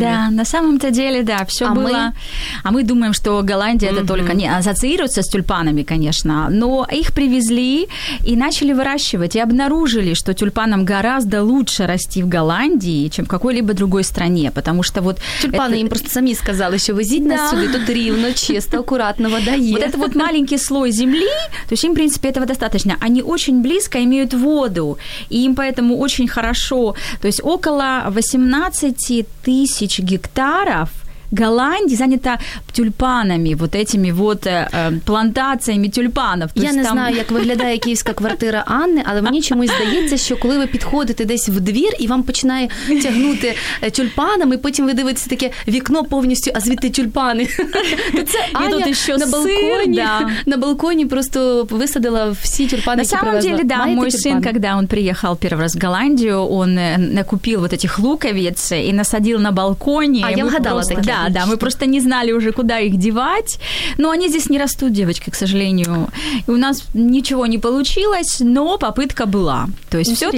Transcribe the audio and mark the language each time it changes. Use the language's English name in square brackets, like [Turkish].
[Russian] Да, на самом-то деле, да, все было. А мы думаем, что Голландия это только... Не, ассоциируется с тюльпанами, конечно. Но их привезли и начали выращивать. И обнаружили, что тюльпанам гораздо лучше расти в Голландии, чем в какой-либо другой стране. Потому что вот... Тюльпаны это... им просто сами [Ukrainian] сказали, що везіть нас сюди, тут рівно, чисто, акуратно вода є. [Russian] Вот это вот маленький слой земли, то есть им, в принципе, этого достаточно. Они очень близко имеют воду, и им поэтому очень хорошо. То есть около 18 тысяч гектаров Голландии занята тюльпанами, вот этими вот плантациями тюльпанов. [Ukrainian] То я не там... знаю, як виглядає київська квартира Анни, але мені чомусь здається, що коли ви підходите десь в двір і вам починає тягнути тюльпанами, потім ви дивитеся таке вікно повністю, а звідти тюльпани. То це Аня на балконі, да. На балконі просто висадила всі тюльпани, які привезла. [Russian] На самом деле, да, мой сын, когда он приехал первый раз в Голландию, он накупил вот этих луковиц и насадил на балконе. [Ukrainian] А я вгадала такі. [Russian] Да, да, мы просто не знали уже, куда их девать. Но они здесь не растут, девочки, к сожалению. И у нас ничего не получилось, но попытка была. То есть интересно.